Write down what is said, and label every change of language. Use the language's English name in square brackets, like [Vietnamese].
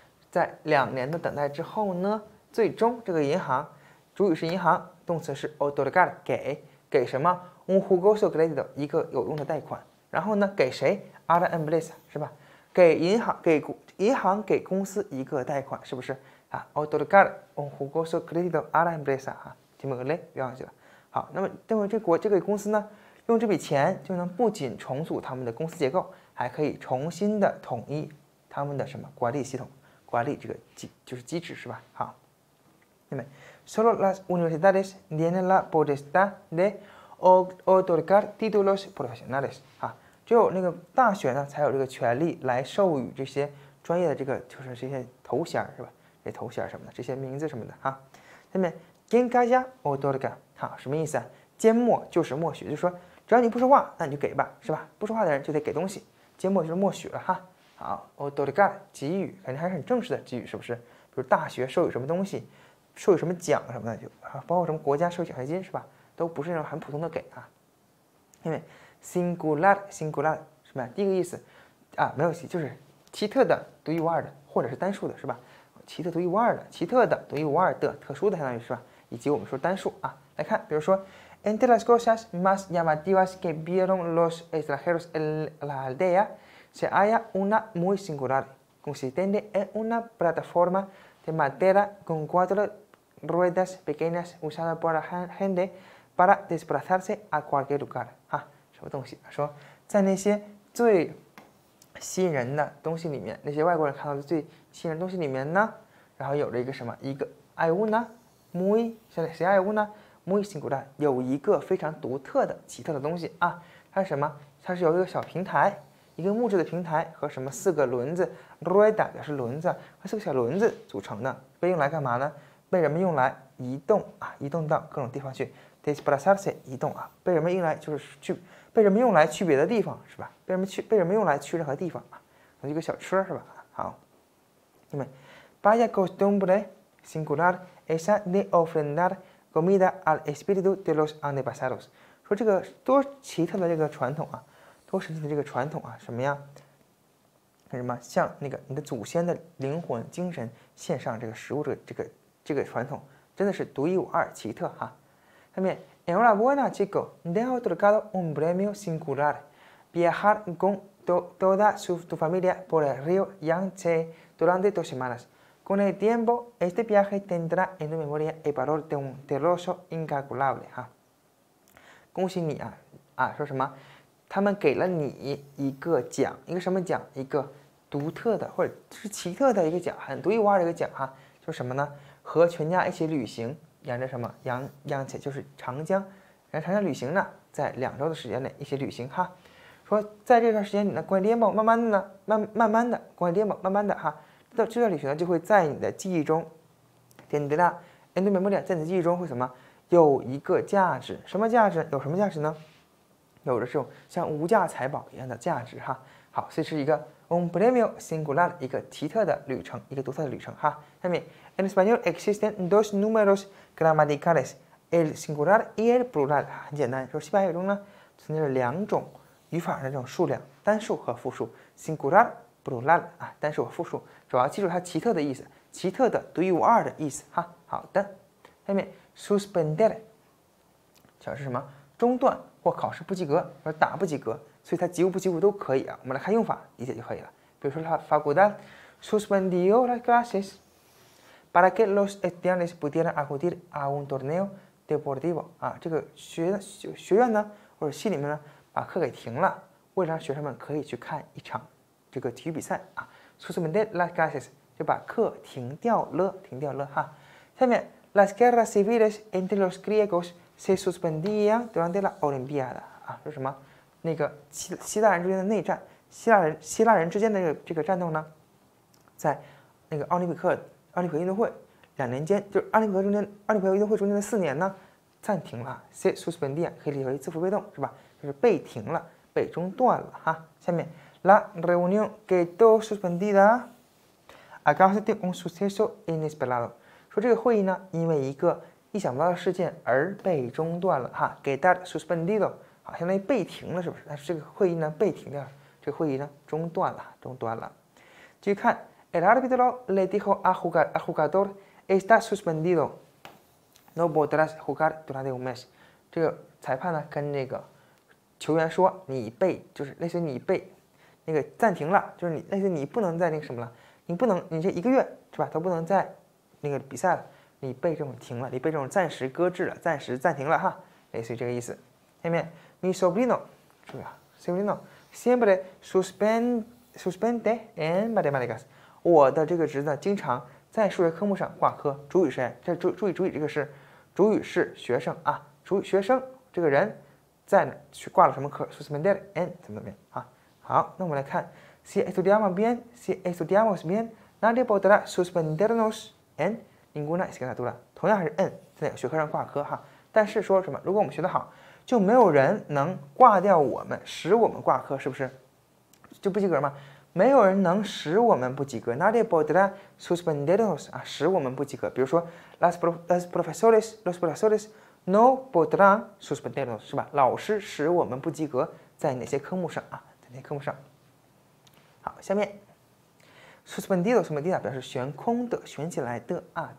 [Chinese] 在2年的等待之后呢，最终这个银行，主语是银行，动词是 otorgar 给什么？ [Spanish] Un jugoso crédito [Chinese] 一个有用的贷款，然后呢，给谁？ [Spanish] A la empresa [Chinese] 是吧？给银行，给银行，给公司一个贷款，是不是？啊， [Spanish] otorgar un jugoso crédito a la empresa [Chinese] 啊，这么个嘞，不要忘记了。好，那么这个公司呢，用这笔钱就能不仅重组他们的公司结构，还可以重新的统一他们的什么管理系统，管理这个机就是机制是吧？好，那么 [Spanish] solo las universidades tienen la potestad de otorgar títulos profesionales [Chinese] 啊，只有那个大学呢，才有这个权利来授予这些专业的这个就是这些头衔是吧？这头衔什么的，这些名字什么的哈。下面 [Spanish] ¿quién calla otorga [Chinese] 哈，什么意思啊？缄默就是默许，就是说只要你不说话，那你就给吧，是吧？不说话的人就得给东西，缄默就是默许了哈。好，otorga 给予，肯定还是很正式的给予，是不是？比如大学授予什么东西，授予什么奖什么的，就啊，包括什么国家授予奖学金是吧？都不是那种很普通的给啊。因为 singular 什么呀？第一个意思啊，没有，就是奇特的、独一无二的，或者是单数的，是吧？奇特独一无二的，奇特的独一无二的，特殊的相当于是吧？ [Spanish] 以及我们说单数啊，来看， [Chinese] 比如说 [Spanish] entre las cosas más llamativas que vieron los extranjeros en la aldea se halla una muy singular consistente en una plataforma de madera con cuatro ruedas pequeñas usada por la gente para desplazarse a cualquier lugar [Chinese] 啊，什么东西？说在那些最吸引人的东西里面，那些外国人看到的最吸引人的东西里面呢，然后有了一个什么？一个 I una muy 现在谁 I [Spanish] una muy singular [Chinese] 有一个非常独特的奇特的东西啊，它是什么？它是由一个小平台，一个木质的平台和什么四个轮子 rueda 表示轮子和四个小轮子组成的，被用来干嘛呢？被人们用来移动啊，移动到各种地方去。desplazarse 移动啊，被人们用来就是去，被人们用来去别的地方是吧？被人们用来去任何地方啊，一个小车是吧？好，那么 [Spanish] vaya costumbre singular esa de ofrendar comida al espíritu de los antepasados [Chinese] 说这个多奇特的这个传统啊，多神奇的这个传统啊，什么呀？什么像那个你的祖先的灵魂精神献上这个食物的这个传统，真的是独一无二奇特哈。 [Spanish] También, enhorabuena, chico, te ha otorgado un premio singular. Viajar con toda tu familia por el río Yangtze durante 2 semanas. Con el tiempo, este viaje tendrá en tu memoria el valor de un tesoro incalculable. [Chinese] 哈，恭喜你啊！啊，说什么？他们给了你一个奖，一个什么奖？一个独特的或者是奇特的一个奖，很独一无二的一个奖哈。说什么呢？和全家一起旅行。沿着什么扬起就是长江，沿长江旅行呢，在2周的时间内一起旅行哈，说在这段时间里呢，关于联盟慢慢的呢，慢慢的关于联盟慢慢的哈，这段旅行呢就会在你的记忆中，点滴答 ，end memory 在你的记忆中会什么有一个价值，什么价值？有什么价值呢？有着这种像无价财宝一样的价值哈。好，所以是一个 [Spanish] un premio singular [Chinese] 一个奇特的旅程，一个独特的旅程哈。下面。 [Spanish] En español existen dos números gramaticales, el singular y el plural. [Chinese] 很简单，说西班牙语中呢存在着两种语法的这种数量，单数和复数 ，singular, plural 啊，单数和复数。主要记住它奇特的意思，奇特的、独一无二的意思哈。好的，下面 suspender 表示什么？中断或考试不及格，或者打不及格，所以它及格不及格都可以啊。我们来看用法，理解就可以了。比如说它 [Spanish] facultad suspendió las clases。 Para que los estudiantes pudieran acudir a un torneo deportivo [Chinese] 啊，这个学院呢，或者系里面呢，把课给停了，为了让学生们可以去看一场这个体育比赛啊。 [Spanish] Suspender las clases [Chinese] 就把课停掉了哈。下面 ， [Spanish] las guerras civiles entre los griegos se suspendían durante la Olimpiada [Chinese] 啊，说什么？那个希腊人之间的内战，希腊人之间的这个战斗呢，在那个奥林匹克。奥林匹克运动会两年间，就是奥林匹克运动会中间的4年呢，暂停了 ， [Spanish] se suspendía [Chinese] 可以理解为自负被动，是吧？就是被停了，被中断了哈。下面 ， [Spanish] la reunión quedó suspendida a causa de un suceso inesperado， [Chinese] 说这个会议呢，因为一个意想不到的事件而被中断了哈。 [Spanish] quedó suspendido， [Chinese] 好，相当于被停了，是不是？但是这个会议呢，被停掉了，这个会议呢，中断了，中断了。继续看 [Spanish] ，el árbitro le dijo al jugador está suspendido。 No podrás jugar durante un mes。 [Chinese] 这个裁判呢，跟那个球员说，你被就是类似于你被那个暂停了，就是你类似于你不能再那个什么了，你不能你这一个月是吧，都不能再那个比赛了，你被这种停了，你被这种暂时搁置了，暂时暂停了哈，类似于这个意思。下面 mi sobrino， 注意啊 ， [Spanish] sobrino siempre suspende en matemáticas， [Chinese] 我的这个侄子经常。在数学科目上挂科，主语是这注意主语这个是，主语是学生啊，主语学生这个人在哪去挂了什么科 ？suspended and 怎么怎么样啊？好，那我们来看 ， [Spanish] si estudiamos bien， si estudiamos bien， nadie podrá suspendernos and ninguna asignatura， [Chinese] 同样还是 and 在哪个学科上挂科哈？但是说什么？如果我们学得好，就没有人能挂掉我们，使我们挂科，是不是？就不及格吗？没有人能使我们不及格 ， [Spanish] nadie podrá suspendernos [Chinese] 啊，使我们不及格。比如说 ， [Spanish] los profesores no podrán suspendernos [Chinese] 是吧？老师使我们不及格，在哪些科目上啊？在哪些科目上？好，下面 suspendido 表示悬空的、悬起来的啊。